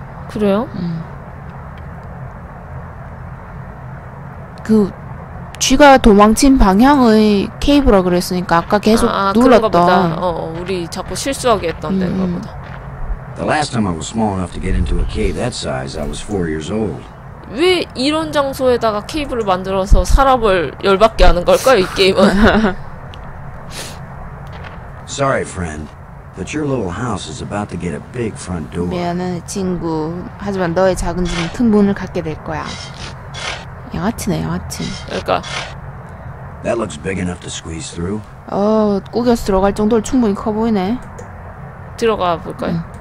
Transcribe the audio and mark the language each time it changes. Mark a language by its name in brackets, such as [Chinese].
[Korean] 그래요? 그 쥐가 도망친 방향의 케이블이라 그랬으니까 아까 계속 눌렀던 우리 자꾸 실수하게 했던 데인가 보다. [English] The last time I was small enough to get into a cave that size, I was 4 years old. [Korean] 왜 이런 장소에다가 케이블을 만들어서 사람을 열받게 하는 걸까 이 게임은? [English] Sorry, friend. But your little house is about to get a big front door. [Korean] 미안해, 친구. 하지만 너의 작은 집은 큰 문을 갖게 될 거야. 양아치네, 양아치. 그러니까. [English] That looks big enough to squeeze through. [Korean] 어, 꾸겨서 들어갈 정도로 충분히 커 보이네. 들어가 볼까요?